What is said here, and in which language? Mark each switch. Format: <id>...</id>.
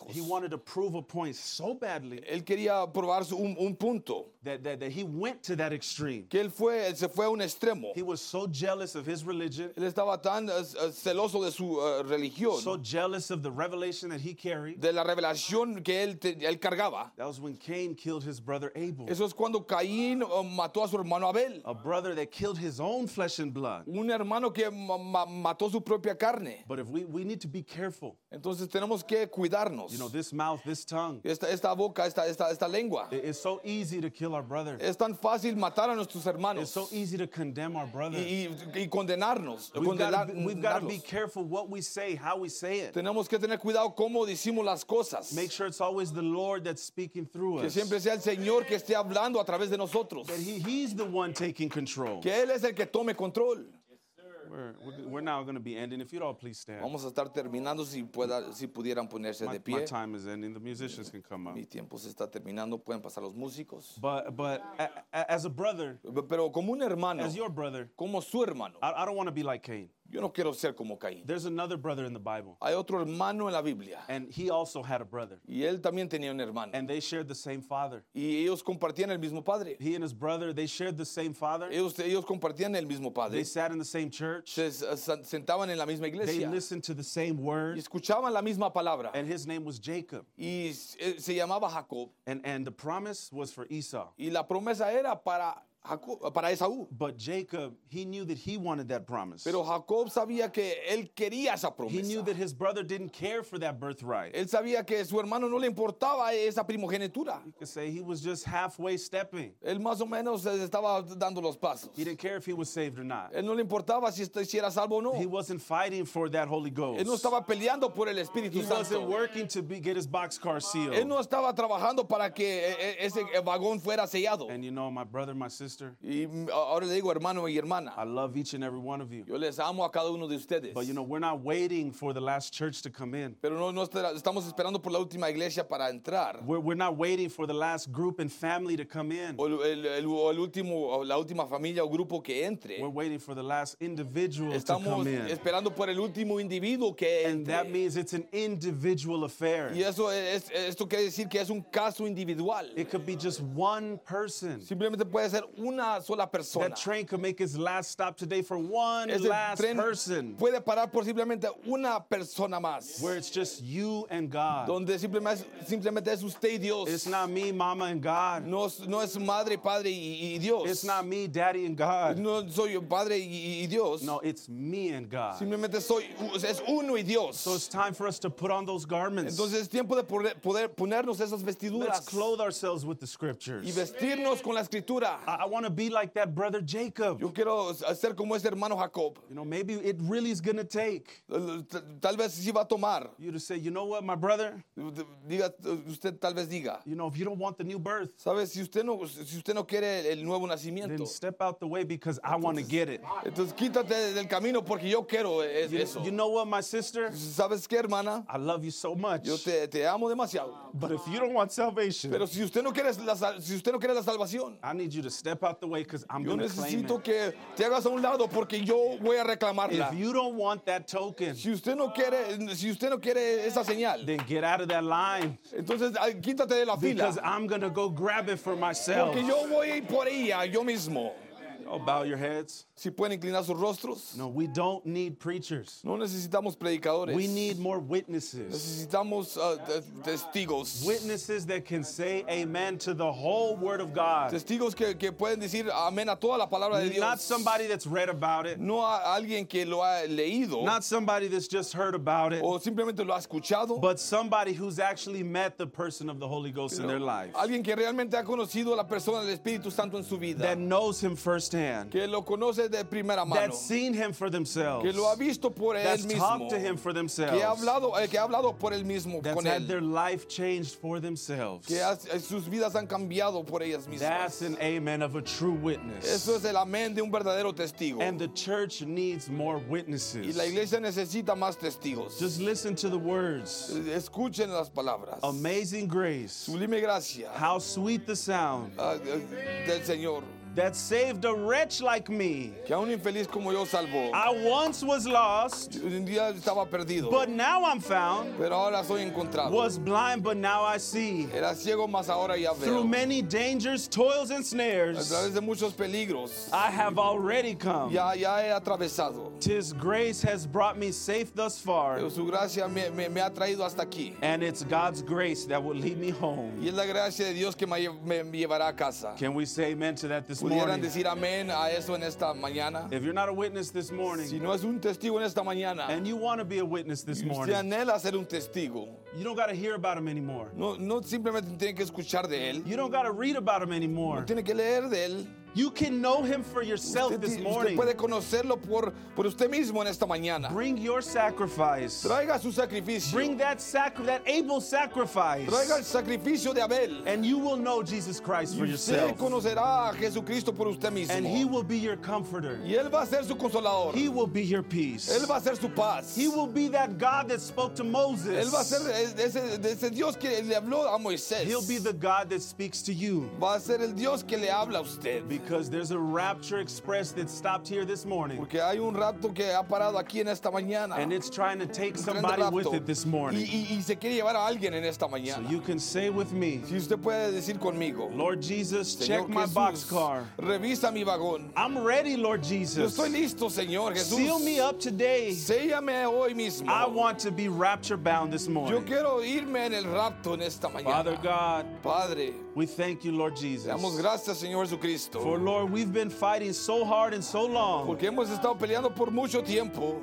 <en>He wanted to prove a point so badly.</en> <es>Él quería probar un punto.</es> <en>That he went to that extreme.</en> <es>Que él se fue a un extremo.</es> <en>He was so jealous of his religion.</en> <es>Él estaba tan celoso de su religión.</es> <en>So jealous of the revelation that he carried.</en> <es>De la revelación que él cargaba.</es> <en>That was when Cain killed his brother Abel.</en> <es>Eso es cuando Caín mató a su hermano Abel.</es> <en>A brother that killed his own flesh and blood.</en> <es>Un hermano que mató su propia carne.</es> <en>But if we need to be careful.</en> <es>Entonces tenemos que cuidarnos.</es> <en>You know, this mouth, this tongue.</en> <es>Esta boca, esta lengua.</es> <en>It's so easy to kill our brother.</en> <es>Es tan fácil matar a nuestros hermanos.</es> <en>It's so easy to condemn our brother.</en> <es>Y condenarnos.</es> <en>We've got to be careful what we say, how we say it.</en> <es>Tenemos que tener cuidado cómo decimos las cosas.</es> <en>Make sure it's always the Lord that's speaking through</en> <es>us. Que siempre sea el Señor que esté hablando a través de nosotros.</es> <en>That he's the one taking control.</en> <es>Que él es el que tome control.</es> <en>We're now going to be ending. If you'd all please stand.</en> <es>Vamos a estar terminando si pudieran ponerse de pie.</es> <en>My time is ending. The musicians can come up.</en> <es>Mi tiempo se está terminando. Pueden pasar los músicos.</es> <en>But as a brother.</en> <es>Pero como un hermano.</es> <en>As your brother.</en> <es>Como su hermano.</es> <en>I don't want to be like Cain.</en> <es>Yo no quiero ser como Caín.</es> <en>There's another brother in the Bible.</en> <es>Hay otro hermano en la Biblia.</es> <en>And he also had a brother.</en> <es>Y él también tenía un hermano.</es> <en>And they shared the same father.</en> <es>Y ellos compartían el mismo padre.</es> <en>He and his brother, they shared the same father.</en> <es>Ellos compartían el mismo padre.</es> <en>They sat in the same church.</en> <es>Se sentaban en la misma iglesia.</es> <en>They listened to the same word.</en> <es>Y escuchaban la misma palabra.</es> <en>And his name was Jacob.</en> <es>Y se llamaba Jacob.</es> <en>And the promise was for Esau.</en> <es>Y la promesa era para Jacob, para Esaú.</es> <en>But Jacob, he knew that he wanted that promise.</en> <es>Pero Jacob sabía que él quería esa promesa.</es> <en>He knew that his brother didn't care for that birthright.</en> <es>Él sabía que su hermano no le importaba esa primogenitura.</es> <en>You could say he was just halfway stepping.</en> <es>Él más o menos estaba dando los pasos.</es> <en>He didn't care if he was saved or not.</en> <es>Él no le importaba si era salvo o no.</es> <en>He wasn't fighting for that Holy Ghost.</en> <es>Él no estaba peleando por el Espíritu</es> <en>he</en> <es>Santo.</es> <en>He wasn't working to get his boxcar sealed.</en> <es>Él no estaba trabajando para que ese vagón fuera sellado.</es> <en>And you know, my brother, my sister.</en> <es>Y ahora le digo hermano y hermana.</es> <en>I love each and every one of you.</en> <es>Yo les amo a cada uno de ustedes.</es> <en>But you know, we're not waiting for the last church to come in.</en> <es>Pero no estamos esperando por la última iglesia para entrar.</es> <en>We're not waiting for the last group and family to come in.</en> <es>O el último o la última familia o grupo que entre.</es> <en>We're waiting for the last individual</en> <es>estamos</es> <en>to come in.</en> <es>Estamos esperando por el último individuo que</es> <en>and</en> <es>entre.</es> <en>And that means it's an individual affair.</en> <es>Y eso esto quiere decir que es un caso individual.</es> <en>It could be just one person.</en> <es>Simplemente puede ser una sola persona.</es> <en>That train could make its last stop today for one last person.</en> <es>Puede parar posiblemente una persona más.</es> <en>Where it's just you and God.</en> <es>Donde simplemente es usted y Dios.</es> <en>It's not me, mama, and God.</en> <es>No es madre, padre y Dios.</es> <en>It's not me, daddy, and God.</en> <es>No soy padre y Dios.</es> <en>No, it's me and God.</en> <es>Simplemente es uno y Dios.</es> <en>So it's time for us to put on those garments.</en> <es>Entonces es tiempo de poder ponernos esas vestiduras.</es> <en>Let's clothe ourselves with the scriptures.</en> <es>Y vestirnos con la escritura.</es> <en>I want to be like that brother Jacob.</en> <es>Yo quiero ser como ese hermano Jacob.</es> <en>You know, maybe it really is going to take.</en> <es>Tal vez sí va a tomar.</es> <en>You to say, you know what, my brother?</en> <es>Diga, usted tal vez diga.</es> <en>You know, if you don't want the new birth.</en> <es>¿Sabes? Si usted no quiere el nuevo nacimiento.</es> <en>Then step out the way because I want to get it.</en> <es>Entonces quítate del camino porque yo quiero eso.</es> <en>You know what, my sister?</en> <es>¿Sabes qué, hermana?</es> <en>I love you so much.</en> <es>Yo te amo demasiado.</es> <en>But if you don't want salvation.</en> <es>Pero si usted no quiere la salvación.</es> <en>I need you to step out the way because I'm going to claim it.</en> <es>Yo necesito que te hagas a un lado porque yo voy a reclamarla.</es> <en>If you don't want that token,</en> <es>si usted no quiere esa señal,</es> <en>then get out of that line.</en> <es>Entonces quítate de la fila.</es> <en>Because I'm going to go grab it for myself.</en> <es>Porque yo voy por ella yo mismo.</es> <en>Oh, bow your heads.</en> <es>Si pueden inclinar sus rostros.</es> <en>No, we don't need preachers.</en> <es>No necesitamos predicadores.</es> <en>We need more witnesses.</en> <es>Necesitamos testigos.</es> <en>Witnesses that can say amen to the whole word of God.</en> <es>Testigos que pueden decir amén a toda la palabra de Dios.</es> <en>Not somebody that's read about it.</en> <es>No alguien que lo ha leído.</es> <en>Not somebody that's just heard about it.</en> <es>O simplemente lo ha escuchado.</es> <en>But somebody who's actually met the person of the Holy Ghost in their life.</en> <es>Alguien que realmente ha conocido a la persona del Espíritu Santo en su vida.</es> <en>That knows him firsthand.</en> <es>Que lo conoce.</es> <en>That's seen him for themselves.</en> <es>Que lo ha visto por él mismo.</es> <en>That's talked to him for themselves.</en> <es>Que ha hablado por él mismo con él.</es> <en>That's had their life changed for themselves.</en> <es>Que sus vidas han cambiado por ellas mismas.</es> <en>That's an amen of a true witness.</en> <es>Eso es el amén de un verdadero testigo.</es> <en>And the church needs more witnesses.</en> <es>Y la iglesia necesita más testigos.</es> <en>Just listen to the words.</en> <es>Escuchen las palabras.</es> <en>Amazing grace.</en> <es>Sublime gracia.</es> <en>How sweet the sound.</en> <es>Del Señor.</es> <en>That saved a wretch like me.</en> <es>Que a un infeliz como yo salvó.</es> <en>I once was lost.</en> <es>Un día estaba perdido.</es> <en>But now I'm found.</en> <es>Pero ahora soy encontrado.</es> <en>Was blind, but now I see.</en> <es>Era ciego, mas ahora ya veo.</es> <en>Through many dangers, toils, and snares.</en> <es>A través de muchos peligros.</es> <en>I have already come.</en> <es>Ya he atravesado.</es> <en>Tis grace has brought me safe thus far.</en> <es>Pero su gracia me ha traído hasta aquí.</es> <en>And it's God's grace that will lead me home.</en> <es>Y es la gracia de Dios que me llevará a casa.</es> <en>Can we say amen to that?</en> <es>¿Pudieran decir amén a eso en esta mañana?</es> <en>If you're not a witness this morning,</en> <es>si no es un testigo en esta mañana,</es> <en>and you want to be a witness this morning,</en> <es>usted anhela ser un testigo,</es> <en>you don't got to hear about him anymore.</en> <es>No simplemente tiene que escuchar de él.</es> <en>You don't got to read about him anymore.</en> <es>No tiene que leer de él.</es> <en>You can know him for yourself</en> <es>usted,</es> <en>this morning.</en> <es>Usted puede conocerlo por usted mismo en esta mañana.</es> <en>Bring your sacrifice.</en> <es>Traiga su sacrificio.</es> <en>Bring that Abel sacrifice.</en> <es>Traiga el sacrificio de Abel.</es> <en>And you will know Jesus Christ for</en> <es>usted</es> <en>yourself.</en> <es>Usted conocerá a Jesucristo por usted mismo.</es> <en>And he will be your comforter.</en> <es>Y él va a ser su consolador.</es> <en>He will be your peace.</en> <es>Él va a ser su paz.</es> <en>He will be that God that spoke to Moses.</en> <es>Él va a ser ese Dios que le habló a Moisés.</es> <en>He'll be the God that speaks to you.</en> <es>Va a ser el Dios que le habla a usted.</es> <en>Because there's a rapture express that stopped here this morning.</en> <es>Porque hay un rapto que ha parado aquí en esta mañana.</es> <en>And it's trying to take somebody with it this morning.</en> <es>Y se quiere llevar a alguien en esta mañana.</es> <en>So you can say with me.</en> <es>Si usted puede decir conmigo.</es> <en>Lord Jesus,</en> <es>Señor</es> <en>check</en> <es>Jesús,</es> <en>my boxcar.</en> <es>Revisa mi vagón.</es> <en>I'm ready, Lord Jesus.</en> <es>Yo estoy listo, Señor Jesús.</es> <en>Seal me up today.</en> <es>Séllame hoy mismo.</es> <en>I want to be rapture bound this morning.</en> <es>Yo quiero irme en el rapto en esta mañana.</es> <en>Father God.</en> <es>Padre.</es> <en>We thank you, Lord Jesus.</en> <es>Damos gracias, Señor Jesucristo.</es> <en>For Lord, we've been fighting so hard and so long.</en> <es>Porque hemos estado peleando por mucho tiempo.</es>